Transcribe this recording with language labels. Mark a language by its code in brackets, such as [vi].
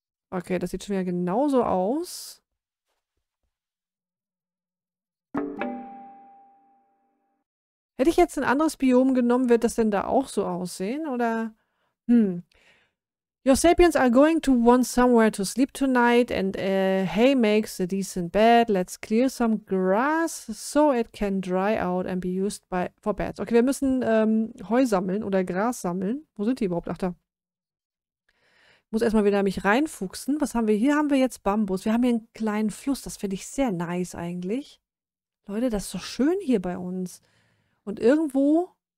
[de] Okay, das sieht schon wieder genauso aus. Hätte ich jetzt ein anderes Biom genommen, wird das denn da auch so aussehen, oder? [en] Your sapiens are going to want somewhere to sleep tonight and hay makes a decent bed. Let's clear some grass so it can dry out and be used for beds. [de] Okay, wir müssen Heu sammeln oder Gras sammeln. Wo sind die überhaupt? Ach da. Ich muss erstmal wieder mich reinfuchsen. Was haben wir? Hier haben wir jetzt Bambus. Wir haben hier einen kleinen Fluss. Das finde ich sehr nice eigentlich. Leute, das ist so schön hier bei uns. Und irgendwo...